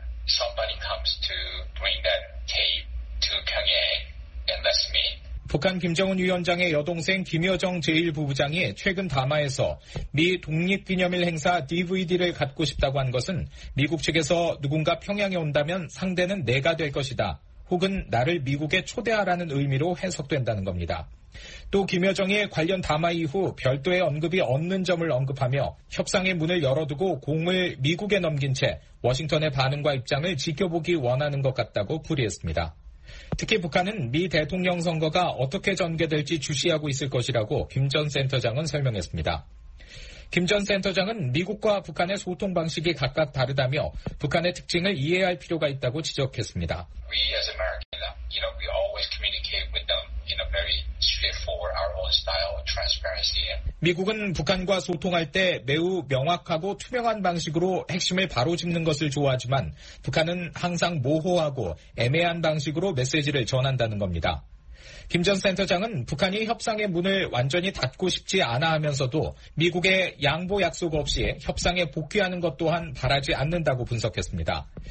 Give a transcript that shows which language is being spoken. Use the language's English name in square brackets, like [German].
[English] Somebody comes to bring that tape to Pyongyang and lets me [Korean] 북한 김정은 위원장의 여동생 김여정 제1부부장이 최근 담화에서 미 독립기념일 행사 DVD를 갖고 싶다고 한 것은 미국 측에서 누군가 평양에 온다면 상대는 내가 될 것이다 혹은 나를 미국에 초대하라는 의미로 해석된다는 겁니다. 또 김여정의 관련 담화 이후 별도의 언급이 없는 점을 언급하며 협상의 문을 열어두고 공을 미국에 넘긴 채 워싱턴의 반응과 입장을 지켜보기 원하는 것 같다고 풀이했습니다. 특히 북한은 미 대통령 선거가 어떻게 전개될지 주시하고 있을 것이라고 김 전 센터장은 설명했습니다. 김 전 센터장은 미국과 북한의 소통 방식이 각각 다르다며 북한의 특징을 이해할 필요가 있다고 지적했습니다. [English] We as American, you know, we always communicate with them in a very straightforward, our own style, transparency. [Korean] 미국은 북한과 소통할 때 매우 명확하고 투명한 방식으로 핵심을 바로잡는 것을 좋아하지만 북한은 항상 모호하고 애매한 방식으로 메시지를 전한다는 겁니다. 김 전 센터장은 북한이 협상의 문을 완전히 닫고 싶지 않아 하면서도 미국의 양보 약속 없이 협상에 복귀하는 것 또한 바라지 않는다고 분석했습니다.